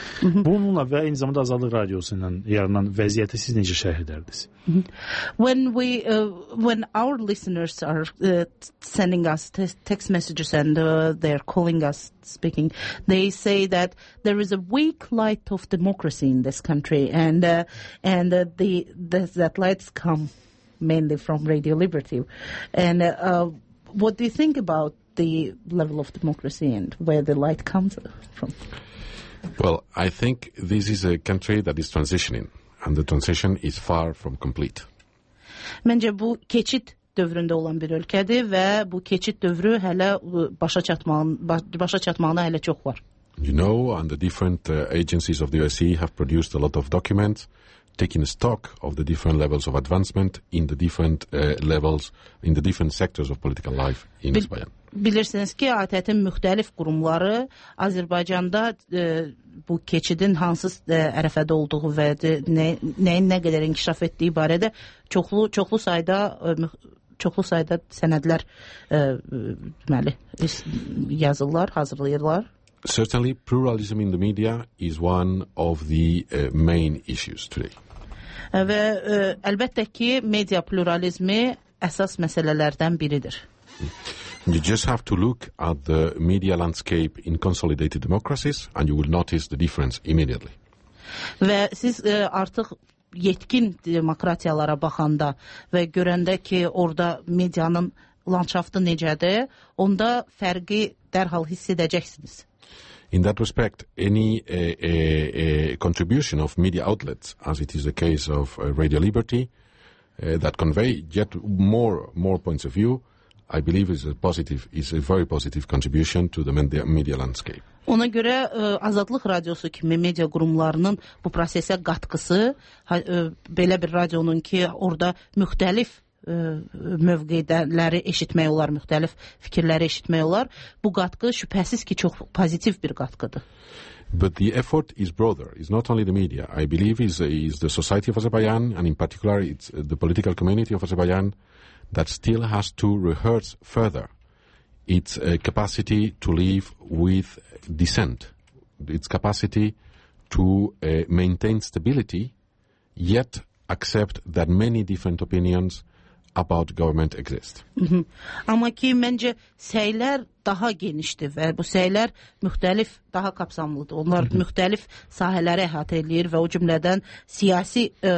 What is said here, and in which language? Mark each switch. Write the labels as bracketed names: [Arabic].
[Azerbaijani] Bununla və eyni zamanda Azadlıq Radiosu ilə yaranan vəziyyəti siz necə şərh edərdiniz? [English] When our listeners are sending us text messages and they are calling us speaking, they say that there is a weak light of democracy in this country and that lights come mainly from Radio Liberty. And what do you think about the level of democracy and where the light comes from? Well, I think this is a country that is transitioning, and the transition is far from complete. [Azerbaijani] Məncə bu keçid dövründə olan bir ölkədir və bu keçid dövrü hələ başa çatmağına hələ çox var. [English] You know, and the different agencies of the OSCE have produced a lot of documents taking stock of the different levels of advancement in the different levels, in the different sectors of political life in Azerbaijan. [Azerbaijani] Bilirsiniz ki, ATƏT-in müxtəlif qurumları Azərbaycanda bu keçidin hansı ərəfədə olduğu və nəyin nə qədər inkişaf etdiyi barədə çoxlu sayda sənədlər deməli yazırlar, hazırlayırlar. [English] Certainly, pluralism in the media is one of the main issues today. [Azerbaijani] Və əlbəttə ki, media pluralizmi əsas məsələlərdən biridir. [English] You just have to look at the media landscape in consolidated democracies and you will notice the difference immediately. [Azerbaijani] Və siz artıq yetkin demokratiyalara baxanda və görəndə ki, orada medianın landşaftı necədir, onda fərqi dərhal hiss edəcəksiniz. [English] In that respect, any contribution of media outlets, as it is the case of Radio Liberty, that convey yet more points of view, I believe is a very positive contribution to the media landscape. [Azerbaijani] Ona görə Azadlıq Radiosu kimi media qurumlarının bu prosesə qatqısı, belə bir radionun ki, orada müxtəlif mövqeləri eşitmək olar, müxtəlif fikirləri eşitmək olar, bu qatqı şübhəsiz ki, çox pozitiv bir qatqıdır. [English] But the effort is broader. It's not only the media. I believe is the society of Azerbaijan, and in particular it's the political community of Azerbaijan, that still has to rehearse further its capacity to live with dissent, its capacity to maintain stability, yet accept that many different opinions about government exist. [Azerbaijani] Amma ki, məncə səylər daha genişdir və bu səylər müxtəlif, daha kapsamlıdır. Onlar müxtəlif sahələri əhatə eləyir və o cümlədən siyasi